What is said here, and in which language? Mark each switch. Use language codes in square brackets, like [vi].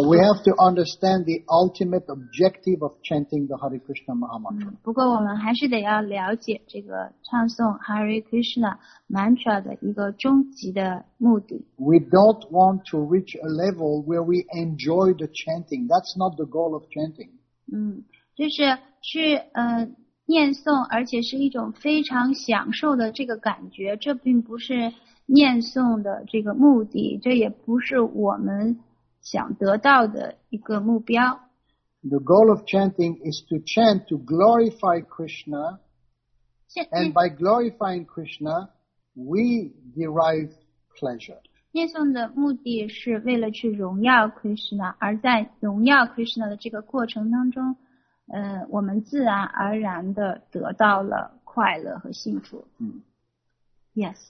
[en] But we have to understand the ultimate objective of chanting the Hare Krishna Maha Mantra. [zh] 不过我们还是得要了解这个唱诵 Hare Krishna Mantra 的一个终极的目的。 [en] We don't want to reach a level where we enjoy the chanting. That's not the goal of chanting. [zh] 就是去念诵，而且是一种非常享受的这个感觉，这并不是念诵的这个目的，这也不是我们想得到的一个目标。 [en] The goal of chanting is to chant to glorify Krishna, and by glorifying Krishna, we derive pleasure. [zh] 念诵的目的是为了去荣耀 Krishna, 而在荣耀 Krishna 的这个过程当中，我们自然而然地得到了快乐和幸福。Yes.